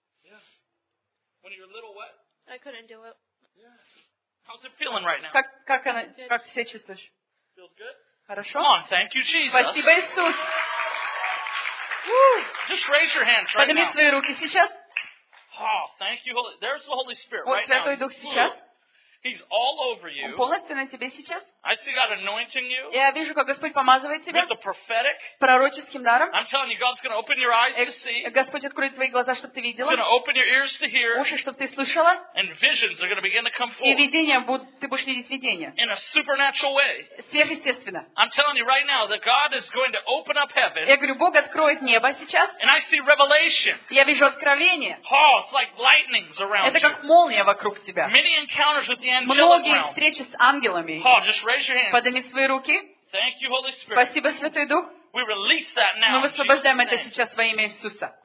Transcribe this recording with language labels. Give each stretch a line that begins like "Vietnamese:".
English: Yeah. When you're little, what? I couldn't do it. Yeah. How's it feeling right now?
Russian: Как ты себя чувствуешь?
English: Feels good.
Russian: Хорошо.
English: Come on, thank you, Jesus.
Russian: Спасибо, Иисус.
English: Just raise your hands right
Russian: Подними
English: now.
Russian: Подними свои руки сейчас.
English: Oh, thank you, Holy. There's the Holy Spirit
Russian: вот
English: right now.
Russian: Вот Святой Дух сейчас.
English: He's all over you.
Russian: Он полностью на тебе сейчас.
English: I see God anointing you.
Russian: Я вижу, как Господь помазывает тебя.
English: With the prophetic.
Russian: Пророческим даром.
English: I'm telling you, God's going to open your eyes to see.
Russian: Господь откроет твои глаза, чтобы ты видела.
English: He's going to open your ears to hear.
Russian: Уши, чтобы ты слышала.
English: And visions are going to begin to come forth.
Russian: И видения будут, ты будешь видеть видения.
English: In a supernatural way.
Russian: Сверхъестественно.
English: I'm telling you right now that God is going to open up heaven.
Russian: Я говорю, Бог откроет небо сейчас.
English: And I see revelation.
Russian: Я вижу откровение.
English: Oh, it's like lightnings around you.
Russian: Это как молния вокруг тебя.
English: Many encounters with
Russian: Многие встречи с ангелами. Подними свои руки. Спасибо, Святой Дух. Мы высвобождаем это сейчас во имя Иисуса.